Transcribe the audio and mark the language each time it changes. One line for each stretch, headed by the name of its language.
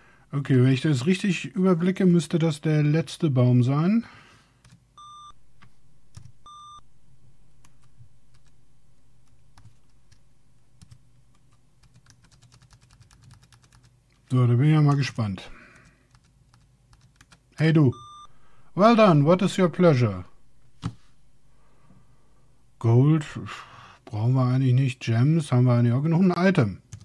German: Okay, wenn ich das richtig überblicke, müsste das der letzte Baum sein. So, da bin ich ja mal gespannt. Hey du.
English: Well done, what is your pleasure?
German: Gold brauchen wir eigentlich nicht. Gems haben wir eigentlich auch genug. Ein Item.